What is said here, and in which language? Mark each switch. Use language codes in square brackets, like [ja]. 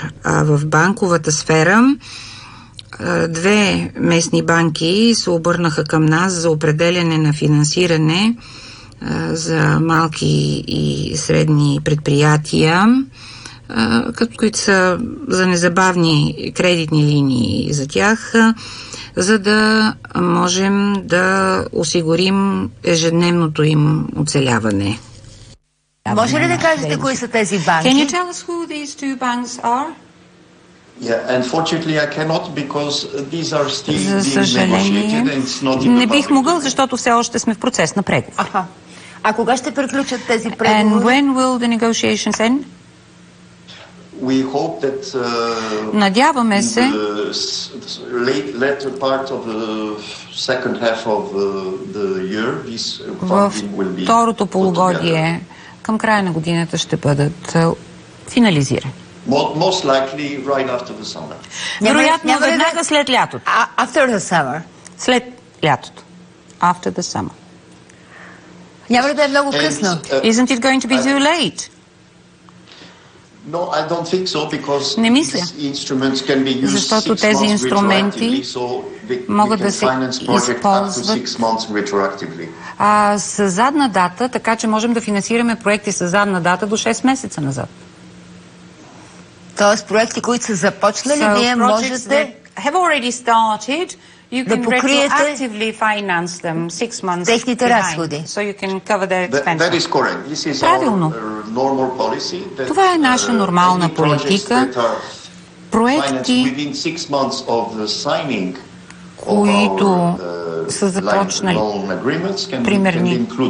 [bg] А в банковата сфера две местни банки се обърнаха към нас за определяне на финансиране за малки и средни предприятия, които са за незабавни кредитни линии за тях, за да можем да осигурим ежедневното им оцеляване. Може ли да кажете кои са тези банки? [en] Can you tell us who these two banks are? Yeah, unfortunately I cannot because these are still being negotiated and it's not in the public. [bg] Защото все още сме в процес на преговори. А кога ще приключат тези преговори? [en] And when will the negotiations end? We hope that [bg] надяваме се [en] late latter part of the second half of the year this funding will be [bg] второто полугодие към края на годината ще бъдат финализирани. [en] Most likely right after the summer. [bg] Вероятно, веднага след лятото. [en] After the summer. [bg] След лятото. [en] After the summer. [bg] Няма ли да е много късно? [en] Isn't it going to be too late? No, I don't think so, because these instruments can be used 6 months retroactively, so they [bg] могат да се използват с задна дата, така че можем да финансираме проекти с задна дата до 6 месеца назад. Тоест проекти, които са започнали, вие можете [en] have already started, you can retroactively finance them 6 months [bg] техните разходи. [en] So you can cover their expenses. That is correct. This is [bg] правилно. [en] Our normal policy. [bg] Това е наша нормална политика. Проекти [en] within 6 months of the signing [bg] които са започнали примерни.